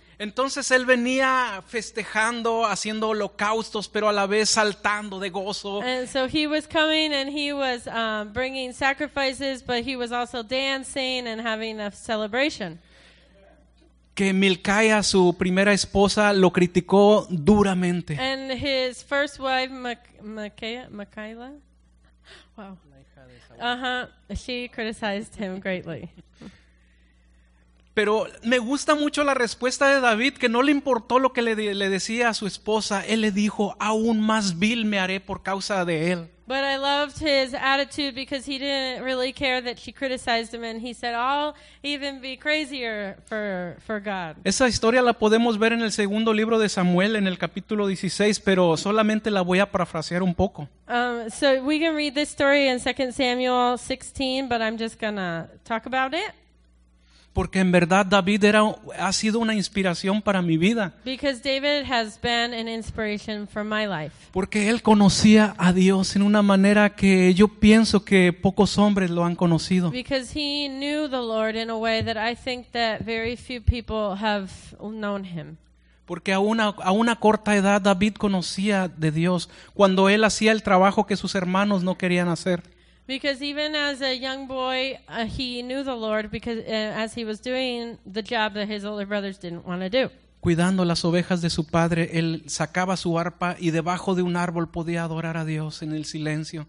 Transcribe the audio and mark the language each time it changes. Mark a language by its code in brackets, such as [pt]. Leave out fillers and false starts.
[es] Entonces él venía festejando, haciendo holocaustos, pero a la vez saltando de gozo. [en] And so he was coming and he was bringing sacrifices, but he was also dancing and having a celebration. [es] Que Milcaya, su primera esposa, lo criticó duramente. [en] And his first wife, Micaela, wow, she criticized him greatly. [es] Pero me gusta mucho la respuesta de David, que no le importó lo que le decía a su esposa. Él le dijo, aún más vil me haré por causa de él. [en] But I loved his attitude because he didn't really care that she criticized him, and he said, I'll even be crazier for God. [es] Esa historia la podemos ver en el segundo libro de Samuel, en el capítulo 16, pero solamente la voy a parafrasear un poco. [en] So we can read this story in 2 Samuel 16, but I'm just going to talk about it. [es] Porque en verdad David ha sido una inspiración para mi vida. [en] Because David has been an inspiration for my life. [es] Porque él conocía a Dios en una manera que yo pienso que pocos hombres lo han conocido. [en] Because he knew the Lord in a way that I think that very few people have known him. [es] Porque a una corta edad David conocía de Dios cuando él hacía el trabajo que sus hermanos no querían hacer. [en] Because even as a young boy, he knew the Lord because as he was doing the job that his older brothers didn't want to do. [es] Cuidando las ovejas de su padre, él sacaba su arpa y debajo de un árbol podía adorar a Dios en el silencio.